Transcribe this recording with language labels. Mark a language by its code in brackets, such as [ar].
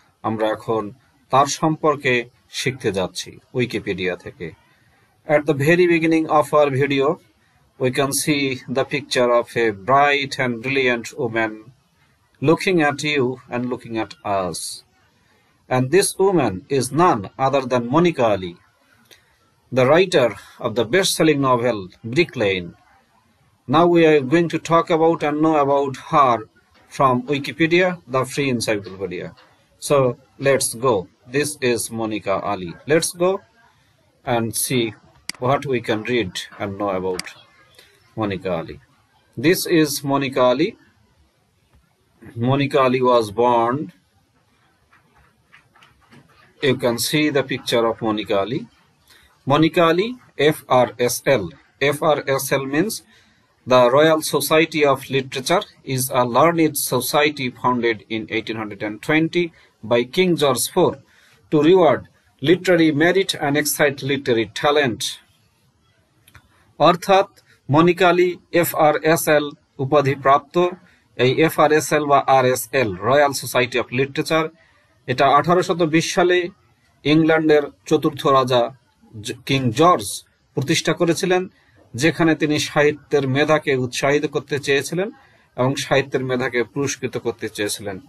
[bn] আমরা এখন তার সম্পর্কে শিখতে যাচ্ছি উইকিপিডিয়া থেকে। [en] At the very beginning of our video we can see the picture of a bright and brilliant woman looking at you and looking at us. And this woman is none other than Monica Ali, the writer of the best-selling novel Brick Lane. Now we are going to talk about and know about her from Wikipedia, the free encyclopedia. So let's go. This is Monica Ali. Let's go and see what we can read and know about Monica Ali. This is Monica Ali. Monica Ali was born, you can see the picture of Monica Ali. Monica Ali, FRSL. FRSL means the Royal Society of Literature, is a learned society founded in 1820 by King George IV to reward literary merit and excite literary talent. [bn] অর্থাৎ Monika Ali FRSL উপাধি প্রাপ্ত। এই FRSL বা RSL, royal society of literature, এটা 1820 সালে ইংল্যান্ডের চতুর্থ রাজা কিং জর্জ প্রতিষ্ঠা করেছিলেন, যেখানে তিনি সাহিত্যের মেধাকে উৎসাহিত করতে চেয়েছিলেন এবং সাহিত্যের মেধাকে পুরস্কৃত করতে চেয়েছিলেন।